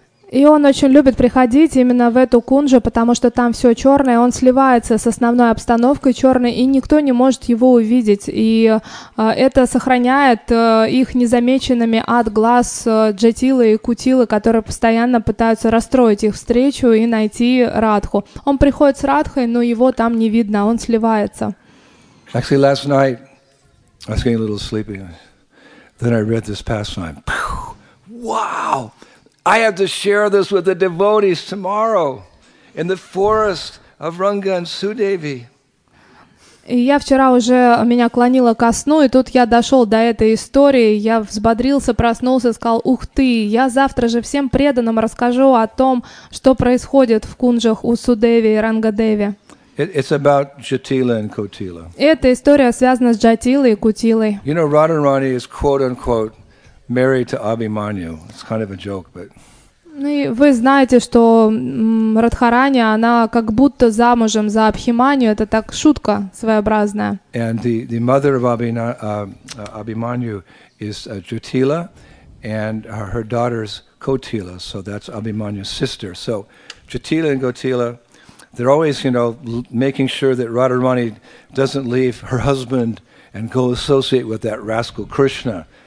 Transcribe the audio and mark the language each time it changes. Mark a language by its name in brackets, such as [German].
[Russian] И он очень любит приходить именно в эту кунжу, потому что там все черное, он сливается с основной обстановкой черной, и никто не может его увидеть. И это сохраняет их незамеченными от глаз Джатилы и Кутилы, которые постоянно пытаются расстроить их встречу и найти Радху. Он приходит с Радхой, но его там не видно, он сливается. [English] Actually, last night, I was getting a little sleepy. Then I read this pastime. Wow! I have to share this with the devotees tomorrow in the forest of Ranga and Sudevi. [Russian] Я вчера уже меня клонило ко сну, и тут я дошел до этой истории. Я взбодрился, проснулся, сказал: «Ух ты! Я завтра же всем преданным расскажу о том, что происходит в кунжах у Судеви и Рангадеви». [English] It's about Jyotila and Kotila. [Russian] Эта история связана с Джатилой и Кутилой. [English] You know, Radharani is quote unquote married to Abhimanyu. It's kind of a joke, but. [Russian] Ну, вы знаете, что Радхарани, она как будто замужем за Абхиманию. Это так шутка своеобразная. [English] And the mother of Abhimanyu is Jyotila, and her daughter's Kotila. So that's Abhimanyu's sister. So Jyotila and Kotila, they're always, you know, making sure that Radharani doesn't leave her husband and go associate with that rascal Krishna.